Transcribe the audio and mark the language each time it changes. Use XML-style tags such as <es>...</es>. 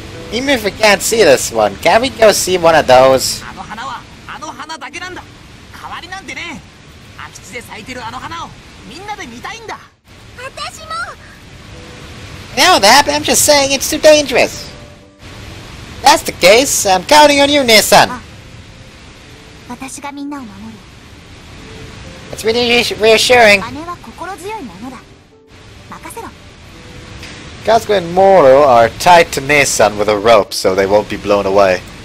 <en>Even if we can't see this one, can we go see one of those?</en> <ja>あの花は、あの花だけなんだ。代わりなんてね。空き地で咲いてるあの花を、みんなで見たいんだ。私も。</ja> <en>No, that, but I'm just saying it's too dangerous. If that's the case, I'm counting on you, Nissan. That's really reassuring. Kazuko and Moro are tied to Nissan with a rope so they won't be blown away.</en>